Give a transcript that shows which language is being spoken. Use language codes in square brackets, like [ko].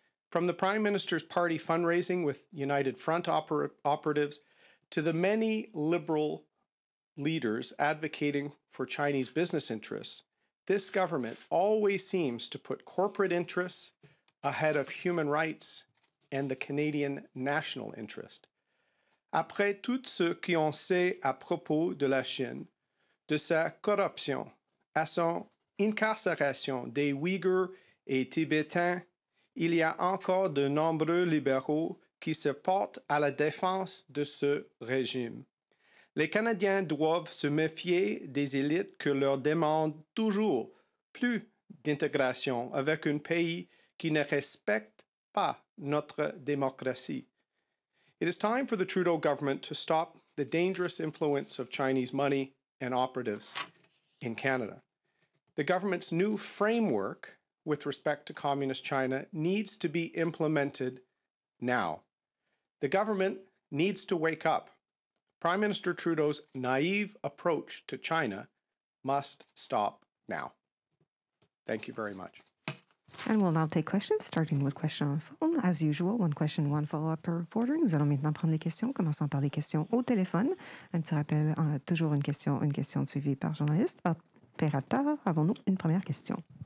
[en] From the Prime Minister's party fundraising with United Front operatives to the many Liberal leaders advocating for Chinese business interests, this government always seems to put corporate interests ahead of human rights and the Canadian national interest. [fr] Après tout ce qu'on sait à propos de la Chine, de sa corruption, à son incarcération des Ouïghurs et Tibétains, il y a encore de nombreux libéraux qui se portent à la défense de ce régime. Les Canadiens doivent se méfier des élites qui leur demandent toujours plus d'intégration avec un pays qui ne respecte pas notre démocratie. [en] It is time for the Trudeau government to stop the dangerous influence of Chinese money and operatives in Canada. The government's new framework with respect to communist China needs to be implemented now. The government needs to wake up. Prime Minister Trudeau's naive approach to China must stop now. Thank you very much. And we'll now take questions, starting with question on phone. As usual, one question, one follow-up per reporter. [fr] Nous allons maintenant prendre les questions, commençant par les questions au téléphone. Un petit rappel, toujours une question suivie par journaliste. Opérateur, avons-nous une première question?